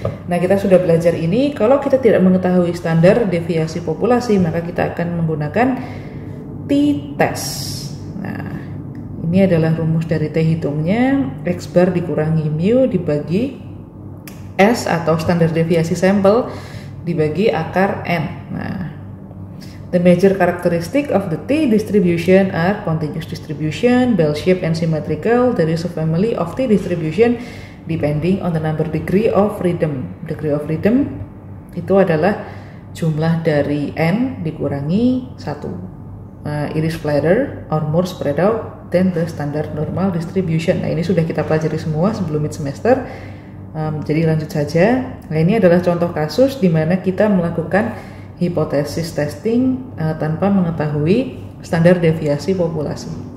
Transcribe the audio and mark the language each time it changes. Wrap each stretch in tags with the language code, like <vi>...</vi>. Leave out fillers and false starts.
<id>Nah, kita sudah belajar ini. Kalau kita tidak mengetahui standar deviasi populasi, maka kita akan menggunakan t-test. Nah, ini adalah rumus dari t hitungnya, x bar dikurangi mu dibagi s atau standar deviasi sampel dibagi akar n.</id> <en>Nah, the major characteristic of the T distribution are continuous distribution, bell-shaped and symmetrical. There is a family of T distribution depending on the number degree of freedom.</en> <id>Degree of freedom itu adalah jumlah dari N dikurangi 1.</id> <en>It is flatter or more spread out than the standard normal distribution.</en> <id>Nah, ini sudah kita pelajari semua sebelum mid-semester. Jadi lanjut saja. Nah, ini adalah contoh kasus di mana kita melakukan hipotesis testing tanpa mengetahui standar deviasi populasi.</id>